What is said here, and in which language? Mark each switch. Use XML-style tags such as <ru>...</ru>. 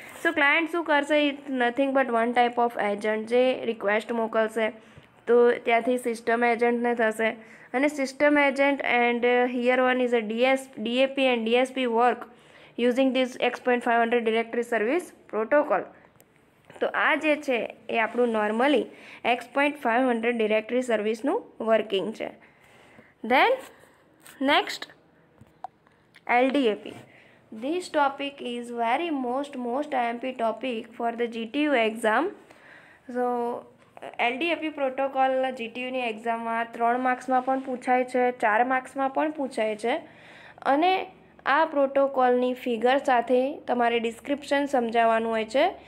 <en>so</en> <gu>client શું કરશે,</gu> <en>it nothing but one type of agent</en> <gu>જે રિક્વેસ્ટ મોકલશે, તો ત્યાંથી સિસ્ટમ એજન્ટને થશે, અને system agent</gu> <en>And here one is a DAP and DSP work using this X.500 directory service protocol.</en> <gu>તો આ જે છે એ આપણું નોર્મલી X.500 ડિરેક્ટરી સર્વિસનું વર્કિંગ છે.</gu> <en>Then, next, LDAP. This topic is very most IMP topic for the GTU exam. So, LDAP protocol</en> <gu>GTU-ની એક્ઝામમાં 3 માર્ક્સમાં પણ પૂછાય છે, 4 માર્ક્સમાં પણ પૂછાય છે. અને આ પ્રોટોકોલની ફિગર સાથે તમારે ડિસ્ક્રિપ્શન સમજાવવાનું હોય છે.</gu>